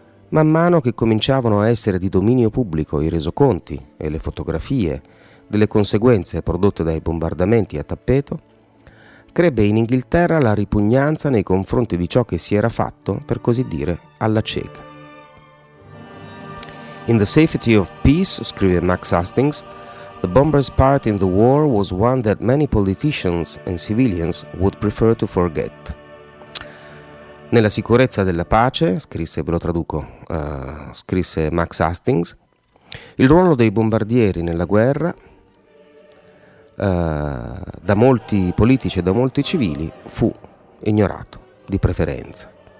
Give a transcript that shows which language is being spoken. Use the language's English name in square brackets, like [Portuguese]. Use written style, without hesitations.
[Italian] Man mano che cominciavano a essere di dominio pubblico i resoconti e le fotografie delle conseguenze prodotte dai bombardamenti a tappeto, crebbe in Inghilterra la ripugnanza nei confronti di ciò che si era fatto, per così dire, alla cieca. [English] In The Safety of Peace, [Italian] scrive [English] Max Hastings, the bomber's part in the war was one that many politicians and civilians would prefer to forget. [Italian] Nella sicurezza della pace, scrisse Max Hastings, il ruolo dei bombardieri nella guerra, da molti politici e da molti civili, fu ignorato di preferenza.